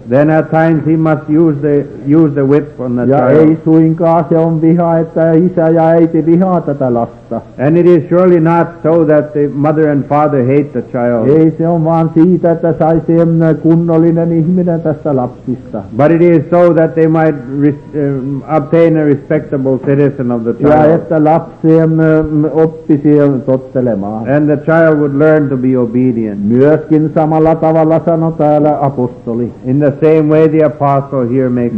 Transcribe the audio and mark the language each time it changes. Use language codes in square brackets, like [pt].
[en] Then at times he must use the whip on the [fi] ja [en] child. [fi] Ja ei suinkaan se on viha, että isä ja äiti vihaa tätä lasta. [en] And it is surely not so that the mother and father hate the child. [fi] Ei se on vaan siitä, että saisi kunnollinen ihminen tästä lapsista. [en] But it is so that they might obtain a respect citizen of the child. [fi] Ja että lapsi oppisi tottelemaan. [en] And the child would learn to be obedient. [fi] Myöskin samalla tavalla sanoo täällä apostoli. [en] In the same way the apostle here makes